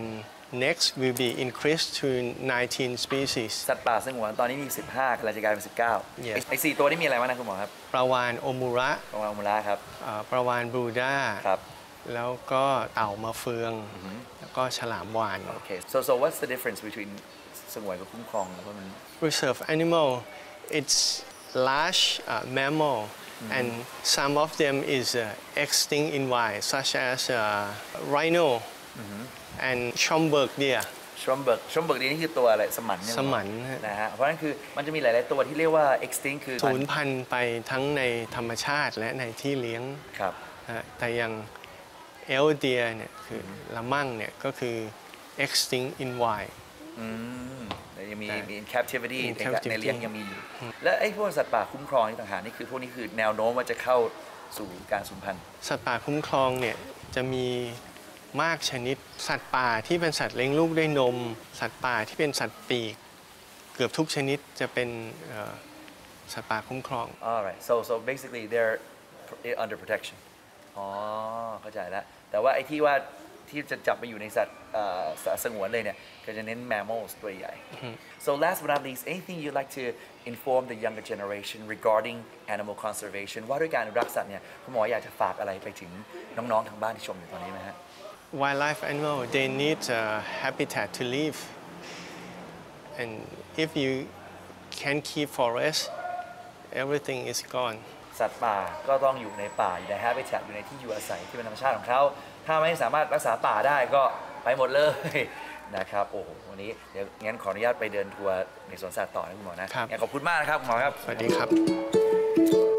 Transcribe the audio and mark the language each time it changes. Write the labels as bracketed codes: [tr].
[en] andNext will be increased to 19 species. [th] สัตว์ป่าสงวนตอนนี้มี15กำลังจะกลายเป็น19 [en] yes. [th] ไอ้4ตัวนี้มีอะไรบ้างนะคุณหมอครับ ปลาวานโอมูระ ปลาวานโอมูระครับ ปลาวานบูด้า ครับ แล้วก็เต่ามะเฟือง mm-hmm. แล้วก็ฉลามวาฬ [en] โอเค so what's the difference between สงวนกับคุ้มครองแล้วมัน reserve animal it's large mammalMm-hmm. And some of them is extinct in wild, such as rhino mm-hmm. and Schomburg deer. [th] Schomburg deer นี่คือตัวอะไรสมัน สมัน นะฮะเพราะนั่นคือมันจะมีหลายๆตัวที่เรียกว่า extinct คือ สูญพันธุ์ไปทั้งในธรรมชาติและในที่เลี้ยง ครับ แต่ยัง elk deer เนี่ยคือ mm-hmm. ละมั่งเนี่ยก็คือ extinct in wild ยังมี in captivity ในเลี้ยงยังมีอยู่และไอ้พวกสัตว์ป่าคุ้มครองต่างหากนี่คือพวกนี้คือแนวโน้มว่าจะเข้าสู่การสูญพันธุ์สัตว์ป่าคุ้มครองเนี่ยจะมีมากชนิดสัตว์ป่าที่เป็นสัตว์เลี้ยงลูกด้วยนมสัตว์ป่าที่เป็นสัตว์ปีกเกือบทุกชนิดจะเป็นสัตว์ป่าคุ้มครอง [en] alright so basically they're under protection อ๋อเข้าใจแล้วแต่ว่าไอ้ที่ว่า [th] ที่จะจับไปอยู่ในสัตว์สงวนเลยเนี่ยก็จะเน้น mammals ตัวใหญ่ So last but not least anything you'd like to inform the younger generation regarding animal conservation ว่าด้วยการรักสัตว์เนี่ยคุณหมออยากจะฝากอะไรไปถึงน้องๆทางบ้านที่ชมอยู่ตอนนี้ไหมฮะ [en] Wildlife animal they need a habitat to live and if you can't keep forest everything is gone [th] สัตว์ป่าก็ต้องอยู่ในป่าอยู่ใน habitat อยู่ในที่อยู่อาศัยที่เป็นธรรมชาติของเขาถ้าไม่สามารถรักษาป่าได้ก็ไปหมดเลยนะครับโอ้โหวันนี้เดี๋ยวงั้นขออนุญาตไปเดินทัวร์ในสวนสัตว์ต่อนะคุณหมอนะ ครับ ขอบคุณมากนะครับคุณหมอครับ สวัสดีครับ